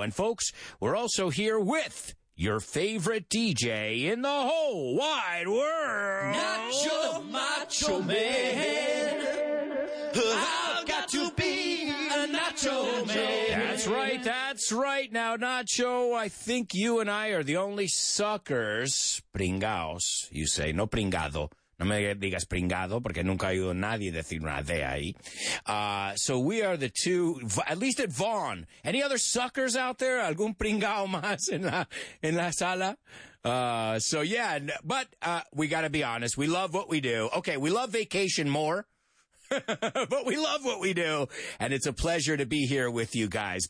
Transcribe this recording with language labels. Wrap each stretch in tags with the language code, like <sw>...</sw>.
<en>And folks, we're also here with your favorite DJ in the whole wide world. Nacho Macho Man. I've got to be a Nacho Man. That's right. Now, Nacho, I think you and I are the only suckers.</en> <es>Pringaos,</es> <en>you say.</en> <es>No pringado. No me digas pringado, porque nunca he oído nadie decir una de ahí.</es> <en>So we are the two, at least at Vaughan. Any other suckers out there?</en> <es>Algún pringao más en la sala?</es> <en>We gotta be honest. We love what we do. Okay, we love vacation more. But we love what we do, and it's a pleasure to be here with you guys.</en>